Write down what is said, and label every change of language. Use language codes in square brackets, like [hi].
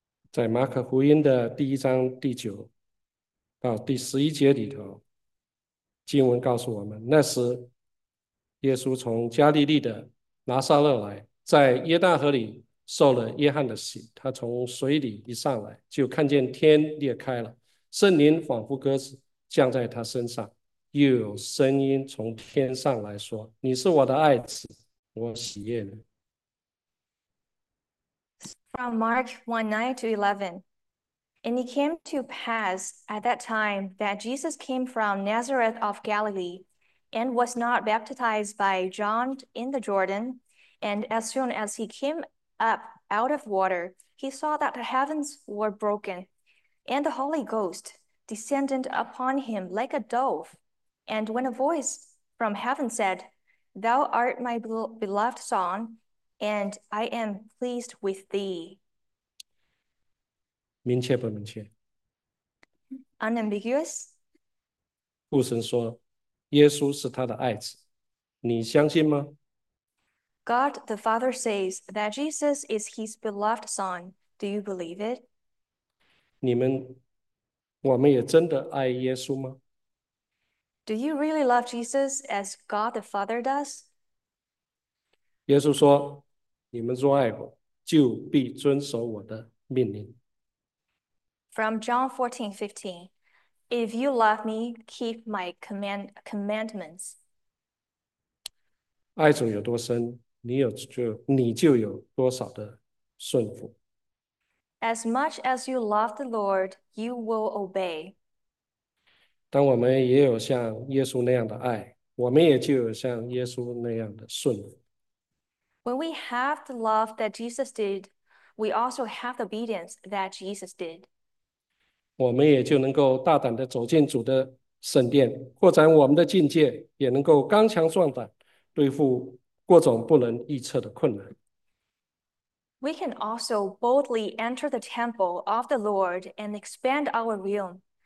[zh] 在马可福音的第一章第九到第十一节里头，经文告诉我们，那时耶稣从加利利的拿撒勒来，在约旦河里受了约翰的洗。他从水里一上来，就看见天裂开了，圣灵仿佛鸽子降在他身上，又有声音从天上来说：“你是我的爱子，我喜悦你。” [en] From Mark 1:9-11, and it came to pass at that time that Jesus came from Nazareth of Galilee, and was not baptized by John in the Jordan. And as soon as he came up out of water, he saw that the heavens were broken, and the Holy Ghost descended upon him like a dove. And when a voice from heaven said, "Thou art my beloved Son, and I am pleased with thee." [zh] 明确不明确？ [en] Unambiguous. [zh] 父神说，耶稣是他的爱子，你相信吗？ [en] God the Father says that Jesus is his beloved son. Do you believe it? [zh] 我们也真的爱耶稣吗？ [en] Do you really love Jesus as God the Father does? [zh] 耶稣说，你们若爱我，就必遵守我的命令。 [en] From John 14:15, "If you love me, keep my commandments." [zh] 爱主有多深，你就有多少的顺服。 [en] As much as you love the Lord, you will obey. [zh] 当我们也有像耶稣那样的爱，我们也就有像耶稣那样的顺服。 [en] When we have the love that Jesus did, we also have the obedience that Jesus did. [zh] 我们也就能够大胆地走进主的圣殿，扩展我们的境界，也能够刚强壮胆，对付各种不能预测的困难。 [en] We can also boldly enter the temple of the Lord and expand our realm.